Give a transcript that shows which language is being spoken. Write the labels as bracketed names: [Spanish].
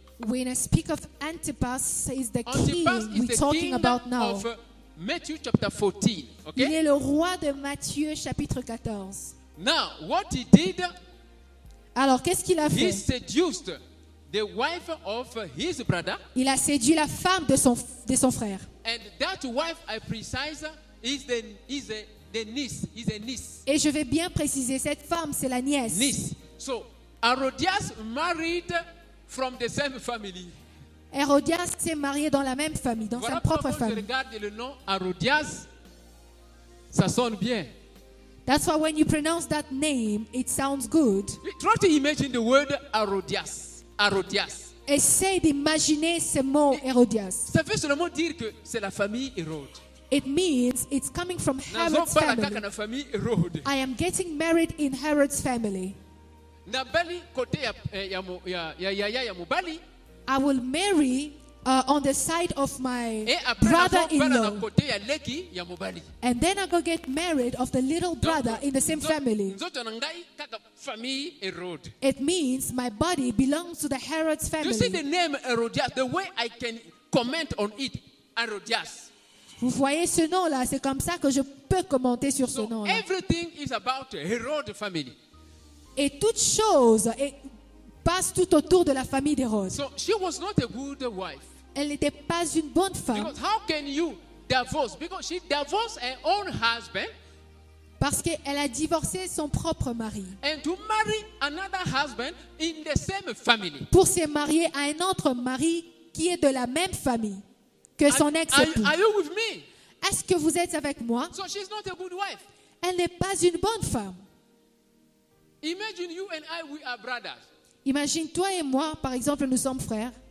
[English] When I speak of Antipas, is the Antipas king we're talking king about now. Of Matthew chapter 14, okay? [French] Il est le roi de Matthieu chapitre 14. [English] Now, what he did? [French] Alors, qu'est-ce qu'il a fait? [English] He seduced the wife of his brother. [French] Il a séduit la femme de son frère. [English] And that wife, I precise, is a niece. [French] Et je vais bien préciser, cette femme, c'est la nièce. [English] Niece. So, Herodias married from the same family. [French] Herodias s'est marié dans la même famille, dans voilà sa propre famille. Voilà pourquoi regarde le nom Herodias, ça sonne bien. [English] That's why when you pronounce that name, it sounds good. Try to imagine the word Herodias. Herodias. [French] Essaye d'imaginer ce mot Herodias. Ça veut seulement dire que c'est la famille Hérode. [English] It means it's coming from Herod's family. [French] Nous avons famille Hérode. [English] I am getting married in Herod's family. [Lingala] Nabali côté ya mobali. [English] I will marry on the side of my brother-in-law. [Lingala] Côté ya leki ya mobali. [English] And then I go get married of the little brother [French] donc, [English] in the same family. [French] Famille Hérode. [English] It means my body belongs to the Herod's family. You see the name Herodias, the way I can comment on it, Herodias. [French] Vous voyez ce nom-là, c'est comme ça que je peux commenter sur ce nom-là. [English] Everything is about Herod family. [French] Et toute chose passe tout autour de la famille d'Hérode. [English] So she was not a good wife. [French] Elle n'était pas une bonne femme. [English] Because how can you divorce? Because she divorced her own husband. [French] Parce qu'elle a divorcé son propre mari. [English] And to marry another husband in the same family. [French] Pour se marier à un autre mari qui est de la même famille. Que son ex-époux. Est-ce que vous êtes avec moi? [English] So she's not a good wife. [French] Elle n'est pas une bonne femme. [English] Imagine you and I, we are brothers. [French] Imagine toi et moi, par exemple, nous sommes frères.